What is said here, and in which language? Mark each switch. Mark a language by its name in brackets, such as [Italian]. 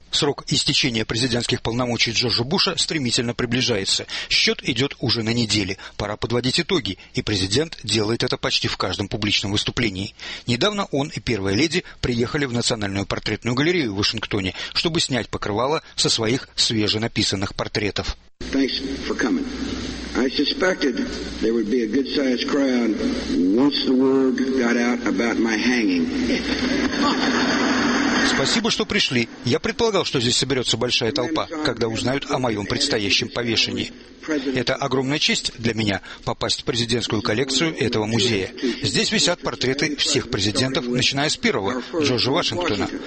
[Russian] Срок истечения президентских полномочий Джорджа Буша стремительно приближается. Счет идет уже на неделе. Пора подводить итоги. И президент делает это почти в каждом публичном выступлении. Недавно он и первая леди приехали в Национальную портретную галерею в Вашингтоне, чтобы снять покрывало со своих свеженаписанных портретов. [English] I suspected there would be a good-sized crowd once the word got out about my hanging. [Russian] Спасибо, что пришли. Я предполагал, что здесь соберется большая толпа, когда узнают о моем предстоящем повешении. Это огромная честь для меня попасть в президентскую коллекцию этого музея. Здесь висят портреты всех президентов, начиная с первого, Джорджа Вашингтона.